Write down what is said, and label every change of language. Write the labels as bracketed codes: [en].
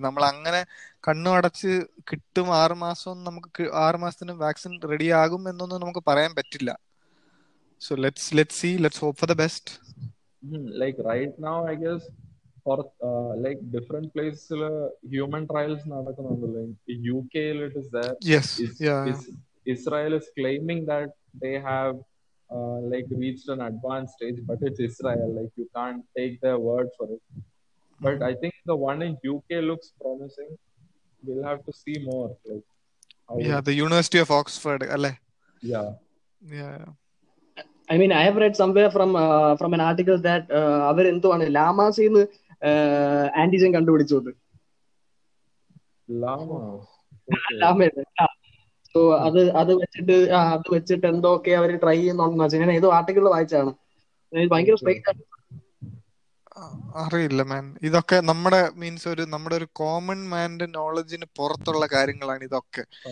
[ml] നമ്മൾ അങ്ങനെ കണ്ണുമടച്ച് കിട്ടും 6 മാസം, നമുക്ക് 6 മാസത്തിന് വാക്സിൻ റെഡി ആകും എന്നൊന്നും നമുക്ക് പറയാൻ പറ്റില്ല. [en] So let's see, let's hope for the best. Like right now I guess like different പ്ലേസില് human trials [ml] നടക്കുന്നുണ്ടല്ലോ. [en] UK it is there, yes, Israel is claiming that they have like reached an advanced stage, but it's Israel, like you can't take their word for it. But I think the one in UK looks promising. We'll have to see more, like the University of Oxford, alle. I mean, I have read somewhere from an article that [ml] avar ento ana llamas in antigen kandupidichu undu [en] llamas. [ml] So അത് അത് വെച്ചിട്ട് അത് വെച്ചിട്ട് എന്തൊക്കെ അവർ try ചെയ്യുന്നുണ്ടെന്ന് വെച്ചാൽ ഞാൻ ഏതോ ആർട്ടിക്കിള് വായിച്ചാണ്. ഭയങ്കര സ്ട്രേറ്റ് ആണ്, അറിയില്ല മാൻ. ഇതൊക്കെ നമ്മുടെ മീൻസ് ഒരു നമ്മുടെ ഒരു കോമൺ മാൻ്റെ നോളജിന് പുറത്തുള്ള കാര്യങ്ങളാണ് ഇതൊക്കെ.